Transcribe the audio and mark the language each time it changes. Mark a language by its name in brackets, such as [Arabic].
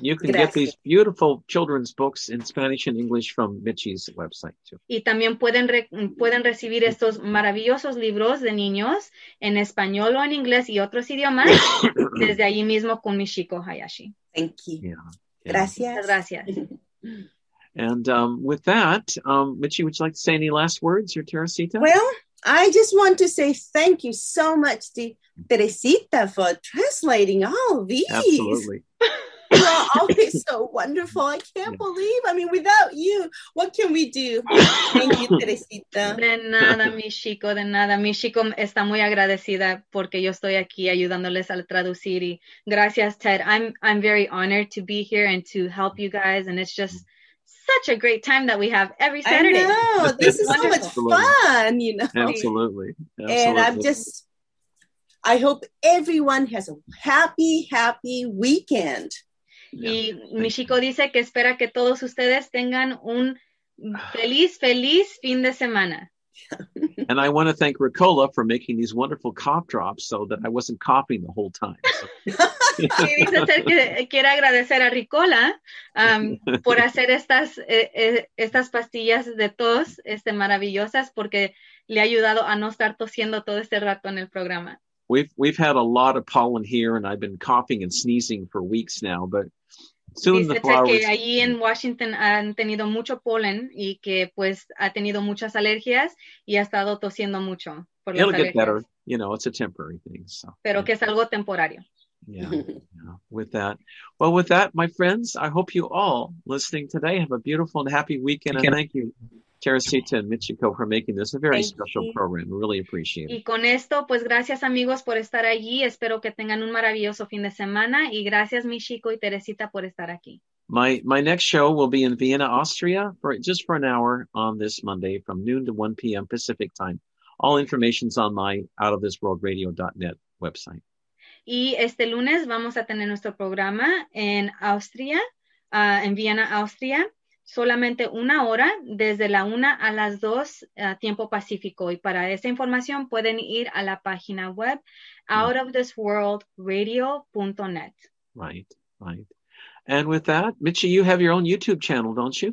[English] You can get these beautiful children's books in Spanish and English from Michi's website too. [Spanish] Y también pueden recibir estos maravillosos libros de niños en español o en inglés y otros idiomas desde allí mismo con Michiko Hayashi. [English] Thank you. Yeah. [Spanish] Gracias. Gracias. [English] And with that, Michi, would you like to say any last words, your Teresita? Well, I just want to say thank you so much to Teresita for translating all these. Absolutely. Oh, it's so wonderful. I can't believe. I mean, without you, what can we do? Thank you, Teresita. [Spanish] De nada, Michiko, de nada. Michiko está muy agradecida porque yo estoy aquí ayudándoles al traducir. Y gracias, Ted. [English] I'm very honored to be here and to help you guys. And it's just such a great time that we have every Saturday. I know. This is so much fun, you know. Absolutely. And I hope everyone has a happy, happy weekend. [Spanish] Yeah. Y Michiko dice que espera que todos ustedes tengan un feliz, feliz fin de semana. [English] And I want to thank Ricola for making these wonderful cough drops so that I wasn't coughing the whole time. [Spanish] Y dice ser que quiere agradecer a Ricola por hacer estas pastillas de tos maravillosas porque le ha ayudado a no estar tosiendo todo este rato en el programa. [English] We've had a lot of pollen here and I've been coughing and sneezing for weeks now, but soon the flowers. [Spanish] Dice que allí en Washington han tenido mucho polen y que pues ha tenido muchas alergias y ha estado tosiendo mucho por las alergias. [English] It'll get better, you know, it's a temporary thing. So. [Spanish] Pero que es algo temporario. [English] Yeah. With that, my friends, I hope you all listening today have a beautiful and happy weekend. And thank you, Teresita and Michiko, for making this a very special program. Really appreciate it. [Spanish] Y con esto, pues gracias amigos por estar allí. Espero que tengan un maravilloso fin de semana. Y gracias, Michiko y Teresita, por estar aquí. [English] My next show will be in Vienna, Austria, for an hour on this Monday from noon to 1 p.m. Pacific time. All information is on my outofthisworldradio.net website. [Spanish] Y este lunes vamos a tener nuestro programa en Austria, en Vienna, Austria. Solamente una hora, desde la 1 a las 2, tiempo pacífico. Y para esa información pueden ir a la página web, outofthisworldradio.net. [English] Right, right. And with that, Michi, you have your own YouTube channel, don't you?